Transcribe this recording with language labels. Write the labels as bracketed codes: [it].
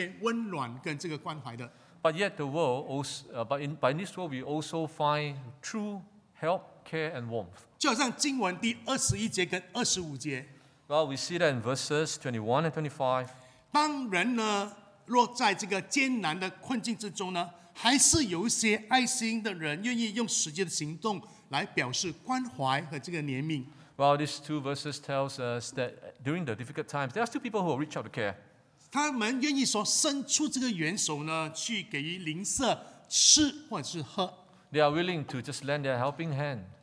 [zh] 不过呢，我们也感到高兴的是说，人世间呢还是看得见温暖跟这个关怀的。 [en] But yet the world also, but in this world, we also find true help, care, and warmth. [zh] 就好像经文第21节跟25节。 [en] Well, we see that in verses 21 and 25. [zh] 当人呢。若在这个艰难的困境之中呢，还是有一些爱心的人愿意用实际的行动来表示关怀和这个怜悯。 [en] Well, these two verses tells us that during the difficult times, there are still people who will reach out to care. [zh] 他们愿意说伸出这个援手呢，去给予邻舍吃或者是喝。 [en] They are willing to just lend their helping hand.